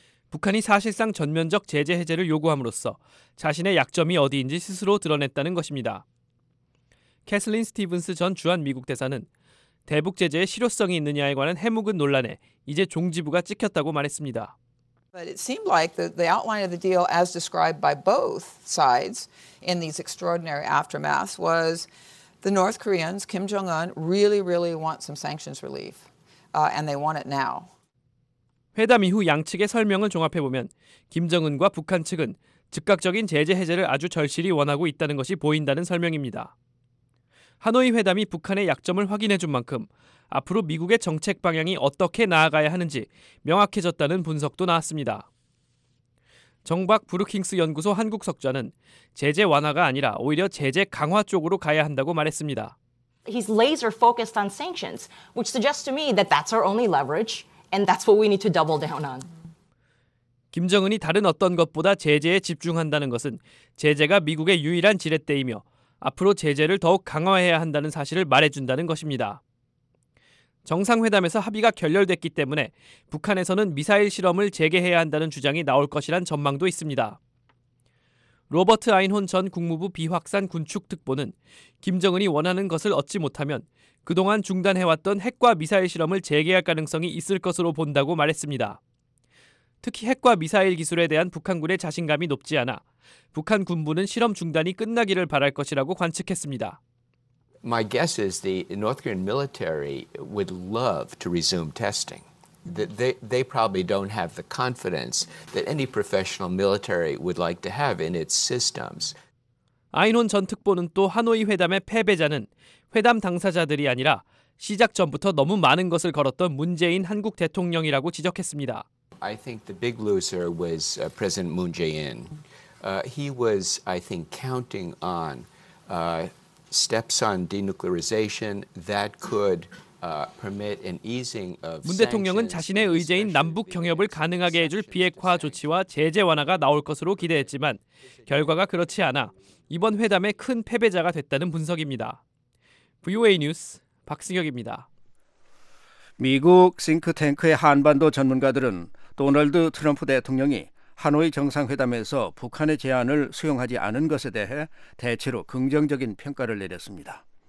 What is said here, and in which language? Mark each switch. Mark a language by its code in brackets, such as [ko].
[ko] 북한이 사실상 전면적 제재 해제를 요구함으로써 자신의 약점이 어디인지 스스로 드러냈다는 것입니다. 캐슬린 스티븐스 전 주한미국 대사는 대북 제재의 실효성이 있느냐에 관한 해묵은 논란에 이제 종지부가 찍혔다고 말했습니다. [en] But it seemed like the outline of the deal as described by both sides in these extraordinary aftermaths was the North Koreans, Kim Jong-un, really, really want some sanctions relief, and they want it now. [ko] 회담 이후 양측의 설명을 종합해보면 김정은과 북한 측은 즉각적인 제재 해제를 아주 절실히 원하고 있다는 것이 보인다는 설명입니다. 하노이 회담이 북한의 약점을 확인해준 만큼 앞으로 미국의 정책 방향이 어떻게 나아가야 하는지 명확해졌다는 분석도 나왔습니다. 정박 브루킹스 연구소 한국 석좌는 제재 완화가 아니라 오히려 제재 강화 쪽으로 가야 한다고 말했습니다. [en] He's laser focused on sanctions, which suggests to me that that's our only leverage, and that's what we need to double down on. [ko] 김정은이 다른 어떤 것보다 제재에 집중한다는 것은 제재가 미국의 유일한 지렛대이며 앞으로 제재를 더욱 강화해야 한다는 사실을 말해준다는 것입니다. 정상회담에서 합의가 결렬됐기 때문에 북한에서는 미사일 실험을 재개해야 한다는 주장이 나올 것이란 전망도 있습니다. 로버트 아인혼 전 국무부 비확산 군축특보는 김정은이 원하는 것을 얻지 못하면 그동안 중단해왔던 핵과 미사일 실험을 재개할 가능성이 있을 것으로 본다고 말했습니다. 특히 핵과 미사일 기술에 대한 북한군의 자신감이 높지 않아 북한 군부는 실험 중단이 끝나기를 바랄 것이라고 관측했습니다. [en] My guess is the North Korean military would love to resume testing. They probably don't have the confidence that any professional military would like to have in its systems. [ko] 아인혼 전 특보는 또 하노이 회담의 패배자는 회담 당사자들이 아니라 시작 전부터 너무 많은 것을 걸었던 문재인 한국 대통령이라고 지적했습니다. [en] I think the big loser was President Moon Jae-in. He was, I think, counting on steps on denuclearization that could permit an easing of. [ko] 문 대통령은 자신의 의제인 남북 경협을 가능하게 해줄 비핵화 조치와 제재 완화가 나올 것으로 기대했지만 결과가 그렇지 않아 이번 회담의 큰 패배자가 됐다는 분석입니다. VOA 뉴스 박승혁입니다. 미국 싱크탱크의 한반도 전문가들은 도널드 트럼프 대통령이 하노이 정상회담에서 북한의 제안을 수용하지 않은 것에 대해 대체로 긍정적인 평가를 내렸습니다.